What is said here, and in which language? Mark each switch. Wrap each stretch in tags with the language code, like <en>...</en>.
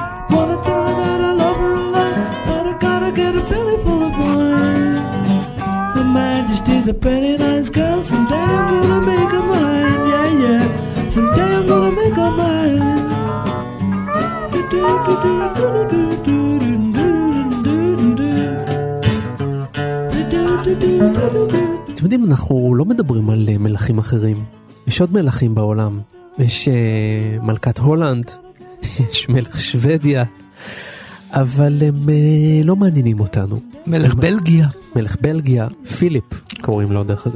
<en>Wanna tell her that I love her a lot, but I gotta get a belly full of wine. Her Majesty's a pretty nice girl, someday I'm gonna make her mine. Yeah, yeah. Someday I'm gonna make her mine. Do do do do do do do do do do do do do do do do do do do do.</en> <he>אתם יודעים, אנחנו לא מדברים על מלכים אחרים. יש עוד מלכים בעולם. יש מלכת הולנד, יש מלך שוודיה, אבל הם לא מעניינים אותנו. מלך בלגיה. מלך בלגיה, פיליפ קוראים לו דרך אגב.</he>